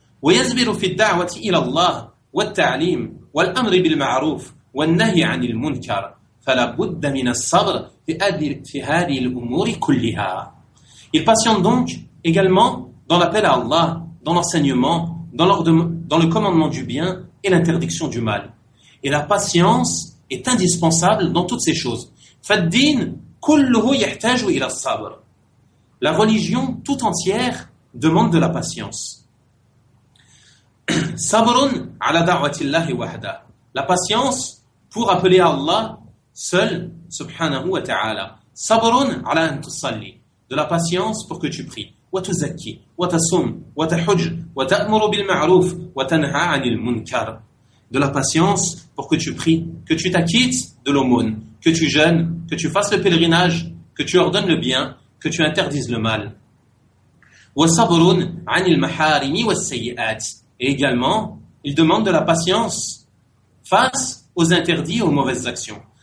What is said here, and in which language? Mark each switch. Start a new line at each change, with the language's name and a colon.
Arabic: وَيَزْبِرُ فِي الدَّعْوَةِ إِلَى اللَّهِ وَالتَّعْلِيمِ وَالْأَمْرِ بِالْمَعْرُوفِ وَالنَّهِي عَنِ الْمُنْكَرِ فَلَبُدَّ مِنَ الصَّبْرِ فِي هَذِهِ الْأُمُورِ كُلِّهَا.
French: Il patiente donc également dans l'appel à Allah, dans l'enseignement, dans le commandement du bien et l'interdiction du mal. Et la patience est indispensable dans toutes ces choses.
Arabic: فَالدِّينِ كله يحتاج إلى الصبر.
French: La religion tout entière demande de la patience.
Arabic: صبر على دعوة الله وحده.
French: La patience pour appeler à Allah seul,
Arabic: سبحانه وتعالى. صبر على أن تصلي.
French: De la patience pour que tu pries.
Arabic: وتزكي وتصوم وتحج وتأمر بالمعروف وتنهى عن المنكر.
French: De la patience pour que tu pries, que tu t'acquittes de l'aumône, que tu jeûnes, que tu fasses le pèlerinage, que tu ordonnes le bien, que tu interdises le mal.
Arabic: وَصَبْرٌ عَنِ الْمَحَارِمِ وَالسَّيِّئَاتِ.
French: Et également, il demande de la patience face aux interdits et aux mauvaises actions.